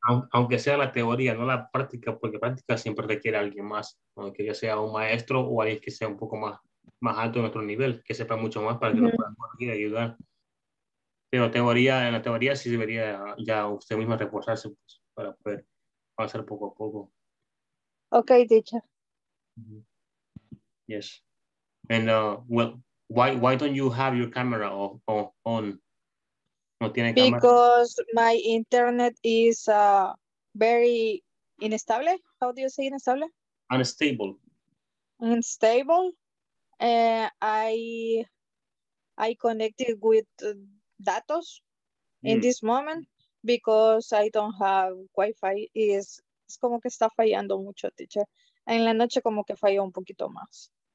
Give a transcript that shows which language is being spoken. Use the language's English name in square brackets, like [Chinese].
[Spanish] Aunque sea la teoría, no la práctica, porque práctica siempre requiere a alguien más. Aunque ya sea un maestro o alguien que sea un poco más más alto en otro nivel, que sepa mucho más para que nos puedan corregir y ayudar. Pero teoría, en la teoría sí debería ya usted misma reforzarse, pues, para poder avanzar poco a poco. [English] Ok, teacher. Yes. And well, why don't you have your camera on? [Spanish] No tiene cámara. [English] Because my internet is very unstable. How do you say unstable? Unstable. Unstable. I connected with datos in this moment because I don't have Wi-Fi. [Spanish] Es como que está fallando mucho, teacher. En la noche como que falla un poquito más.